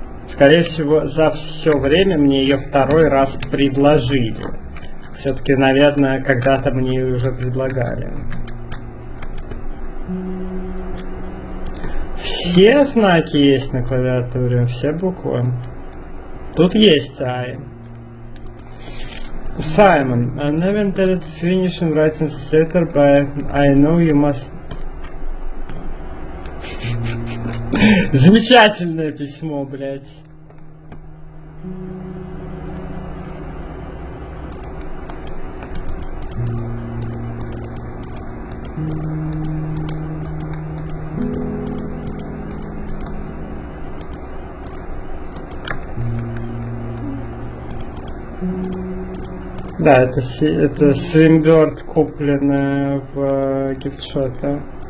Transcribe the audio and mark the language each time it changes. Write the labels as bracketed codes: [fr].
[ru] Скорее всего, за все время мне ее второй раз предложили. Все-таки, наверное, когда-то мне ее уже предлагали. Все знаки есть на клавиатуре, все буквы. Тут есть I. [en] Simon, I never intended finishing writing this letter, but I know you must... [ru] Замечательное письмо, блядь. Да, это Swimbird, купленное в гифтшопе.